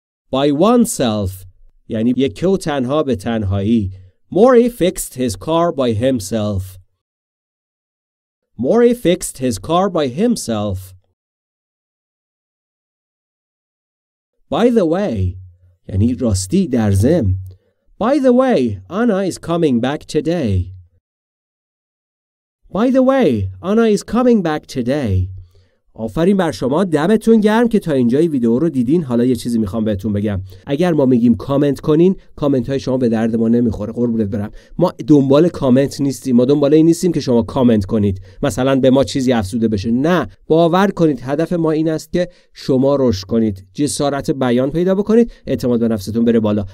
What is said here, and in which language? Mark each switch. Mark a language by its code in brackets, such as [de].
[en] By oneself [fa] یعنی یکی و تنها به تنهایی. [en] Maury fixed his car by himself. Maury fixed his car by himself. By the way [fa] یعنی راستی در زم. [en] By the way Anna is coming back today. By the way Anna is coming back today. [fa] آفرین بر شما، دمتون گرم که تا اینجای ویدیو رو دیدین. حالا یه چیزی میخوام بهتون بگم. اگر ما میگیم کامنت کنین، کامنت های شما به درد ما نمیخوره، قربونت برم. ما دنبال کامنت نیستیم، ما دنبال این نیستیم که شما کامنت کنید مثلا به ما چیزی افزوده بشه. نه، باور کنید هدف ما این است که شما رشد کنید، جسارت بیان پیدا بکنید، اعتماد به نفستون بره بالا.